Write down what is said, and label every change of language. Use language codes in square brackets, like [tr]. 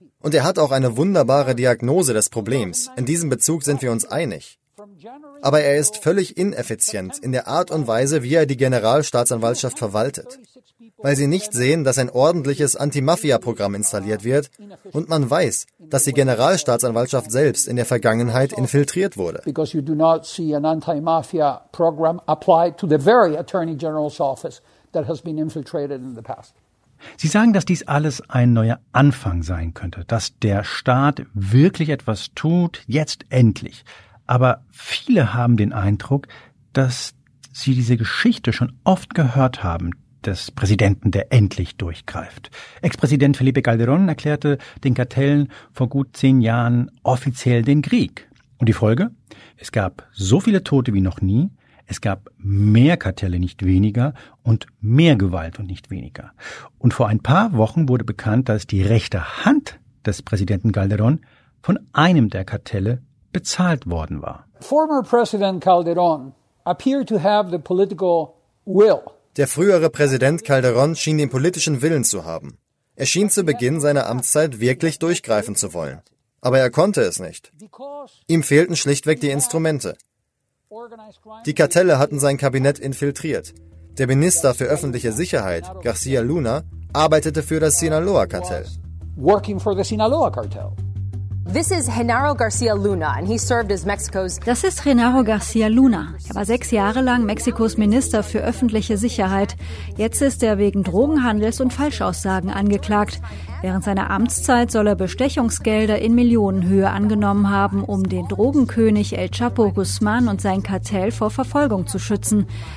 [de] Und er hat auch eine wunderbare Diagnose des Problems. In diesem Bezug sind wir uns einig. Aber er ist völlig ineffizient in der Art und Weise, wie er die Generalstaatsanwaltschaft verwaltet. Weil sie nicht sehen, dass ein ordentliches Anti-Mafia-Programm installiert wird und man weiß, dass die Generalstaatsanwaltschaft selbst in der Vergangenheit infiltriert wurde. [en] Because you do not see an anti-mafia program applied to the very attorney general's office that has been infiltrated in the past. [de] Sie sagen, dass dies alles ein neuer Anfang sein könnte, dass der Staat wirklich etwas tut, jetzt endlich. Aber viele haben den Eindruck, dass sie diese Geschichte schon oft gehört haben, des Präsidenten, der endlich durchgreift. Ex-Präsident Felipe Calderón erklärte den Kartellen vor gut 10 Jahren offiziell den Krieg. Und die Folge? Es gab so viele Tote wie noch nie. Es gab mehr Kartelle, nicht weniger, und mehr Gewalt und nicht weniger. Und vor ein paar Wochen wurde bekannt, dass die rechte Hand des Präsidenten Calderón von einem der Kartelle bezahlt worden war. [en] Former President Calderón appeared to have the political will. [de] Der frühere Präsident Calderón schien den politischen Willen zu haben. Er schien zu Beginn seiner Amtszeit wirklich durchgreifen zu wollen. Aber er konnte es nicht. Ihm fehlten schlichtweg die Instrumente. Die Kartelle hatten sein Kabinett infiltriert. Der Minister für öffentliche Sicherheit, García Luna, arbeitete für das Sinaloa-Kartell. [en] This is Genaro García Luna, and he served as Mexico's. [de] Das ist Genaro García Luna. Er war 6 Jahre lang Mexikos Minister für öffentliche Sicherheit. Jetzt ist er wegen Drogenhandels und Falschaussagen angeklagt. Während seiner Amtszeit soll er Bestechungsgelder in Millionenhöhe angenommen haben, um den Drogenkönig El Chapo Guzmán und sein Kartell vor Verfolgung zu schützen.